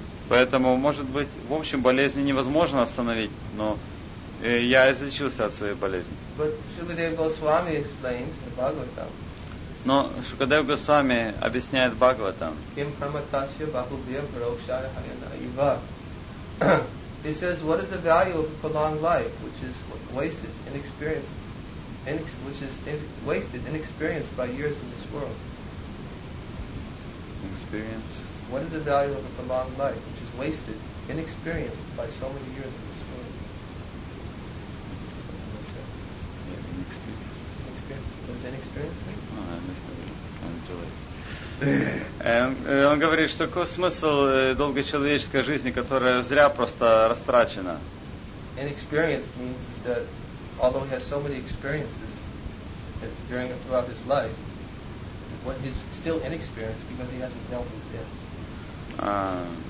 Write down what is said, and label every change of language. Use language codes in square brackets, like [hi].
[ru] Поэтому, может быть, в общем, болезни невозможно остановить, но я излечился от своей болезни. [en] But Shukadev Goswami explains the Bhagavatam. [ru] Но Шукадев Госвами объясняет Бхагаватам. [sa] Kim pramatasya bahubhya parokshaya hayana iva. [en] He says, what is the value of a prolonged life, which is wasted, inexperienced, which is wasted, inexperienced by years in this world? Experience. What is the value of a prolonged life, which is wasted, inexperienced by so many years in this world? [ru] Он говорит, что какой смысл долгой человеческой жизни, которая зря просто растрачена? [en] Inexperienced means that although he has so many experiences during and throughout his life, what he's still inexperienced because he hasn't dealt with death.